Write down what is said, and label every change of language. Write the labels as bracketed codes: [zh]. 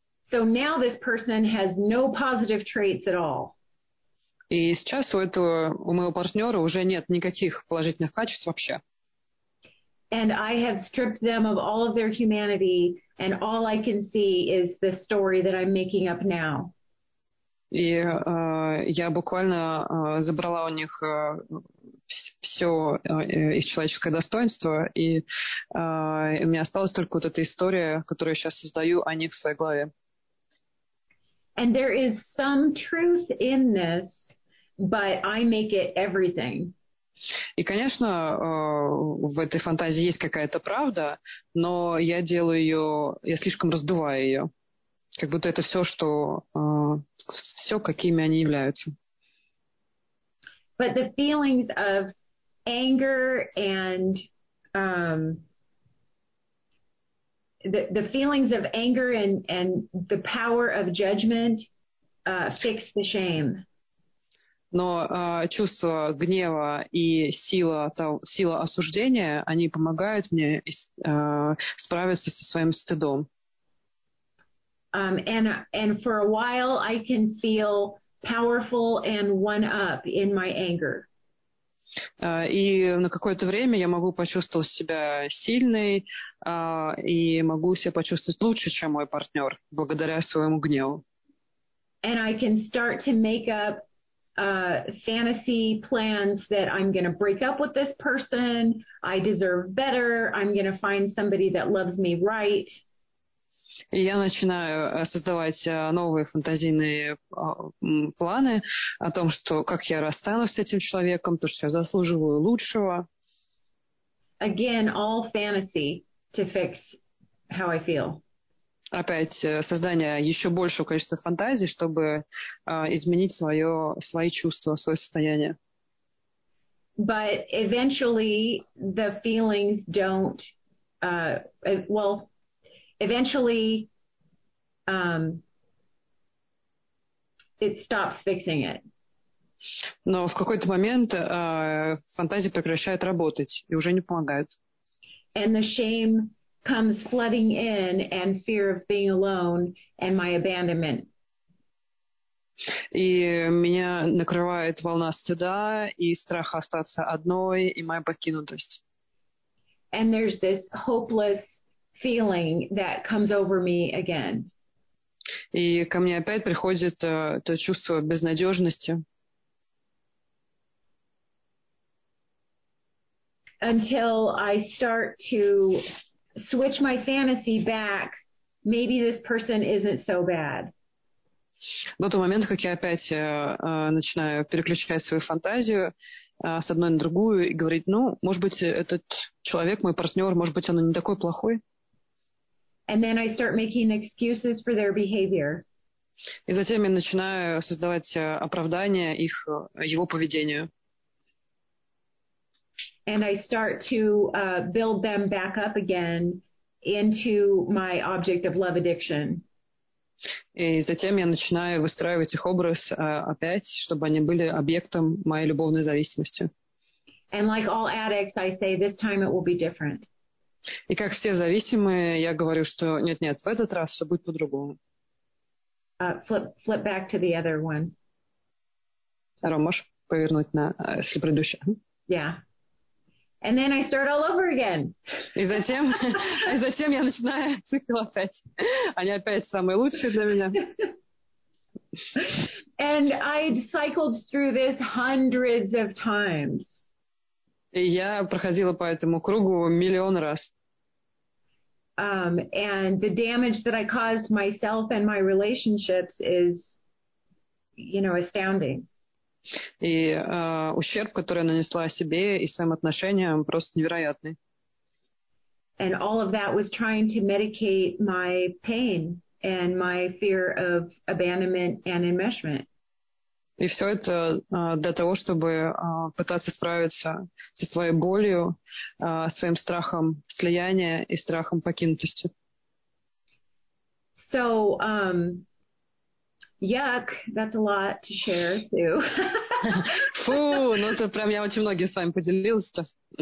[en] So now this person has no positive traits at all. [ru] И сейчас у моего партнера уже нет никаких положительных качеств вообще. [en] And I have stripped them of all of their humanity, and all I can see is the story that I'm making up now. [ru] И я буквально забрала у них все их человеческое достоинство, и у меня осталась только вот эта история, которую я сейчас создаю о них в своей главе. [en] And there is some truth in this, but I make it everything. [ru] И, конечно, в этой фантазии есть какая-то правда, но я делаю ее, я слишком раздуваю ее. Как будто это все, что все, какими они являются. [en] But the feelings of anger and the feelings of anger and the power of judgment fix the shame. [ru] Но чувство гнева и сила осуждения, они помогают мне справиться со своим стыдом. [en] And for a while I can feel powerful and one up in my anger. [ru] И на какое-то время я могу почувствовать себя сильной и могу себя почувствовать лучше, чем мой партнер, благодаря своему гневу. [en] And I can start to make up fantasy plans that I'm going to break up with this person. I deserve better. I'm going to find somebody that loves me right. [ru] Я начинаю создавать новые фантазийные планы о том, что как я расстанусь с этим человеком, то, что я заслуживаю лучшего. [en] Again, all fantasy to fix how I feel. [ru] Опять создание еще большего количества фантазий, чтобы изменить свои чувства, свое состояние. [en] But eventually the feelings don't, well, eventually it stops fixing it. [ru] Но в какой-то момент фантазии прекращают работать и уже не помогают. [en] And the shame comes flooding in, and fear of being alone, and my abandonment. [ru] И меня накрывает волна стыда и страха остаться одной и моя покинутость. [en] And there's this hopeless feeling that comes over me again. [ru] И ко мне опять приходит то чувство безнадежности. [en] Until I start to switch my fantasy back, maybe this person isn't so bad. [ru] До того момента, как я опять начинаю переключать свою фантазию с одной на другую и говорить, ну, может быть, этот человек, мой партнер, может быть, он не такой плохой. [en] And then I start making excuses for their behavior. [ru] И затем я начинаю создавать оправдания их, его поведению. [en] And I start to build them back up again into my object of love addiction. [ru] И затем я начинаю выстраивать их образ опять, чтобы они были объектом моей любовной зависимости. [en] And like all addicts, I say this time it will be different. [ru] И как все зависимые, я говорю, что нет-нет, в этот раз все будет по-другому. [en] Flip back to the other one. [ru] Ром, можешь повернуть на предыдущее? [en] Yeah. And then I start all over again. [ru] И затем я начинаю цикл опять. Они опять самые лучшие для меня. [en] And I'd cycled through this hundreds of times. [ru] И я проходила по этому кругу миллион раз. [en] And the damage that I caused myself and my relationships is, you know, astounding. [ru] И ущерб, который нанесла себе и своим отношениям, просто невероятный. [en] And all of that was trying to medicate my pain and my fear of abandonment and enmeshment. [ru] И все это для того, чтобы пытаться справиться со своей болью, своим страхом слияния и страхом покинутости. [en] So, yuck, that's a lot to share, too. [ru] Фу, ну это прям я очень многие с вами поделилась сейчас.